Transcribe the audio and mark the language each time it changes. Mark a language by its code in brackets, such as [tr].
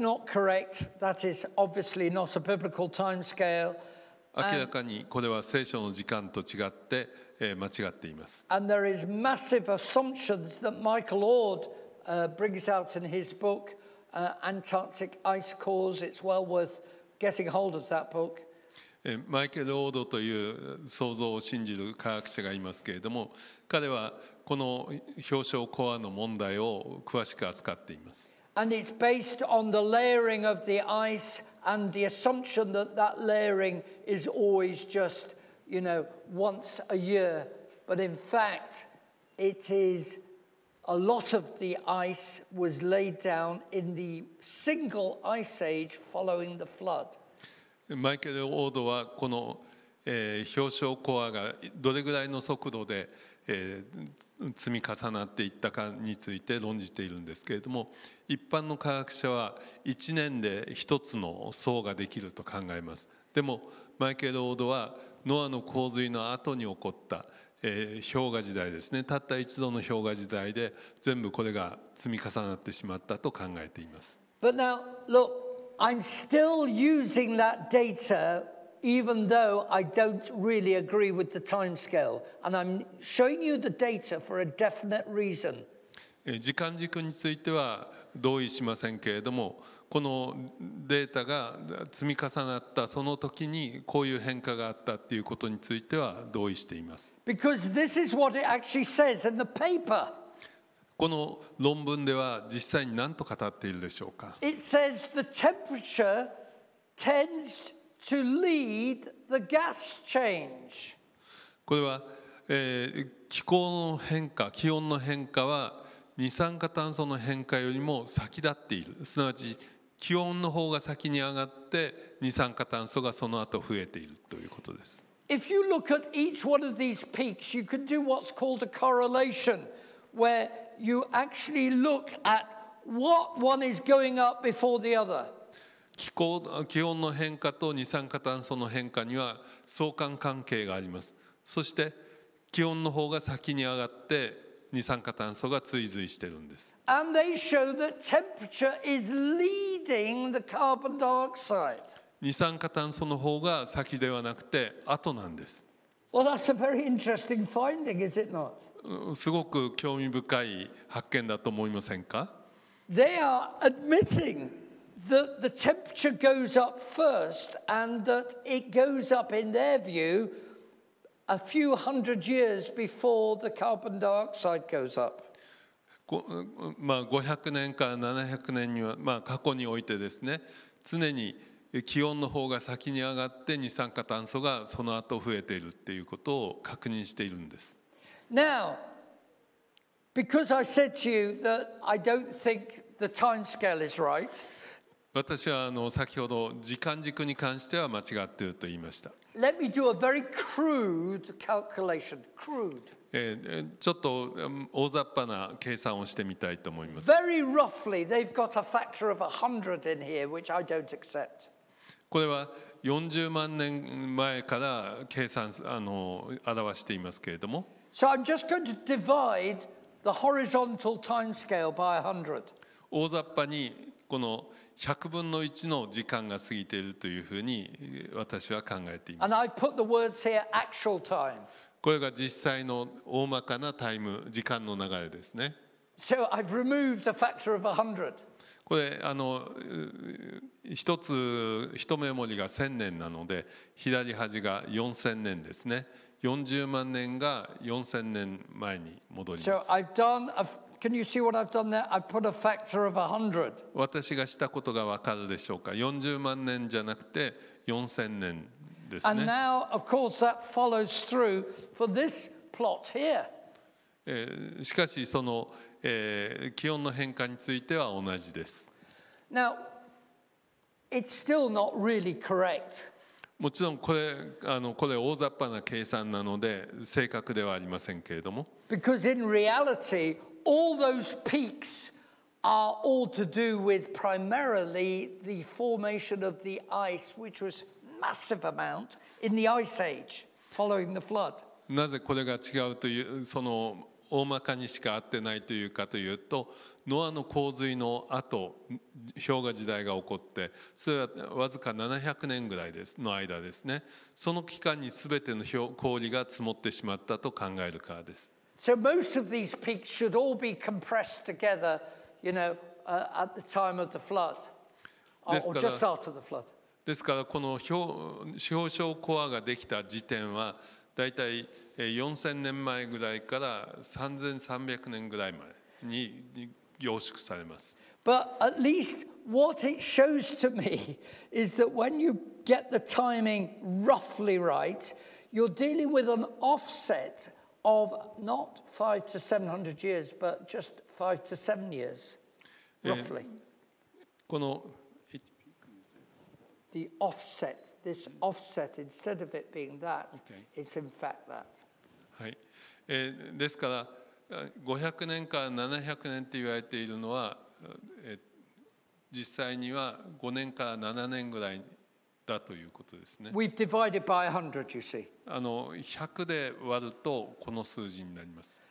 [en] That is not correct. That is obviously not a biblical time scale. [ja] 明らかにこれは聖書の時間と違って間違っています。 [en] And there is massive assumptions that Michael Ord brings out in his book Antarctic Ice Cores. It's well worth getting hold of that book. [ja] マイケル・オードという創造を信じる科学者がいますけれども、彼はこの氷床コアの問題を詳しく扱っています。 [en] And it's based on the layering of the ice and the assumption that that layering is always just, you know, once a year. But in fact, it is a lot of the ice was laid down in the single ice age following the flood. [ja] マイケル・オードはこの、氷床コアがどれぐらいの速度で、積み重なっていったかについて論じているんですけれども、一般の科学者は1年で1つの層ができると考えます。でもマイケル・オードはノアの洪水の後に起こった、氷河時代ですね、たった一度の氷河時代で全部これが積み重なってしまったと考えています。 [en] But now, look, I'm still using that data even though I don't really agree with the timescale. And I'm showing you the data for a definite reason. [ja] 時間軸については同意しませんけれども、このデータが積み重なったその時にこういう変化があったっていうことについては同意しています。 [en] Because this is what it actually says in the paper. [ja] この論文では実際に何と語っているでしょうか。 [en] It says the temperature tends to lead the gas change. [ja] これは、気候の変化、気温の変化は二酸化炭素の変化よりも先立っている。すなわち気温の方が先に上がって二酸化炭素がその後増えているということです。 [en] If you look at each one of these peaks, you can do what's called a correlation, where you actually look at what one is going up before the other. [ja] 気温の変化と二酸化炭素の変化には相関関係があります。そして気温の方が先に上がって二酸化炭素が追随しているんです。 [en] And they show that temperature is leading the carbon dioxide. [ja] 二酸化炭素の方が先ではなくて後なんです。 [en] Well, that's a very interesting finding, is it not? [ja] すごく興味深い発見だと思いませんか? [en] They are admitting that the temperature goes up first and that it goes up in their view. A few hundred years before the carbon dioxide goes up. [ja] まあ500年から700年には、まあ過去においてですね、常に気温の方が先に上がって二酸化炭素がその後増えているっていうことを確認しているんです。 [en] Now, because I said to you that I don't think the time scale is right. [ja] 私は先ほど時間軸に関しては間違っていると言いました。 [en] Let me do a very crude calculation. Crude. [ja] ちょっと大雑把な計算をしてみたいと思います。 [en] Very roughly, they've got a factor of 100 in here, which I don't accept. [ja] これは40万年前から計算表していますけれども。 [en] So I'm just going to divide the horizontal timescale by 100. [ja] 大雑把にこの100分の1の時間が過ぎているというふうに私は考えています。 [en] And I put the words here, actual time. [ja] これが実際の大まかなタイム、時間の流れですね。 [en] So I've removed a factor of 100. [ja] これ一目盛りが1000年なので、左端が4000年ですね。 40万年が4000年前に戻ります。 [en] So I've done a... Can you see what I've done there? I've put a factor of 100. [ja] 私がしたことがわかるでしょうか。40万年じゃなくて4000年ですね。 [en] And now, of course, that follows through for this plot here. [ja] しかしその、気温の変化については同じです。 [en] Now, it's still not really correct. [ja] もちろんこれ大雑把な計算なので正確ではありませんけれども。 [en] Because in reality,All those peaks are all to do with primarily the formation of the ice, which was massive amount in the ice age following the flood. [ja] なぜこれが違うという、その大まかにしか合ってないというかというと、ノアの洪水の後、氷河時代が起こって、それはわずか700年ぐらいですの間ですね。その期間に全ての氷が積もってしまったと考えるからです。 [en] So most of these peaks should all be compressed together, you know, at the time of the flood, or just after the flood. [ja] ですからこの司法省コアができた時点はだいたい4000年前ぐらいから3300年ぐらい前に凝縮されます。 [en] But at least what it shows to me is that when you get the timing roughly right, you're dealing with an offset of not 500 to 700 years, but just 5 to 7 years, roughly. [ja] この [en] The offset, this offset, instead of it being that, okay. It's in fact that. [ja] はい。ですから、500年から700年って言われているのは、実際には5年から7年ぐらいだということですね。 [en] We've divided by 100, you see. [ja] 100で割るとこの数字になります。